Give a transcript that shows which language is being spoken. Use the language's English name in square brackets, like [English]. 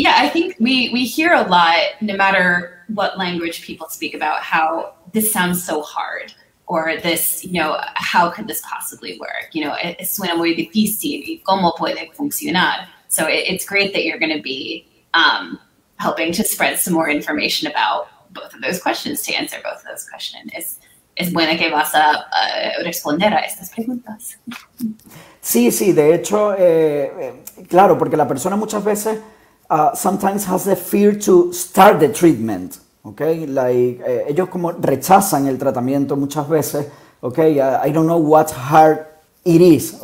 [English] Yeah, I think we hear a lot, no matter what language people speak, about how this sounds so hard. Or this, you know, how could this possibly work? You know, it [Spanish] suena muy difícil y cómo puede funcionar. [English] So it's great that you're going to be helping to spread some more information about both of those questions, to answer both of those questions. [Spanish] Es buena que vas a responder a estas preguntas. Sí, sí, de hecho, claro, porque la persona muchas veces [English] sometimes has the fear to start the treatment. Okay, like [Spanish] ellos como rechazan el tratamiento muchas veces. [English] Okay, I don't know what hard it is.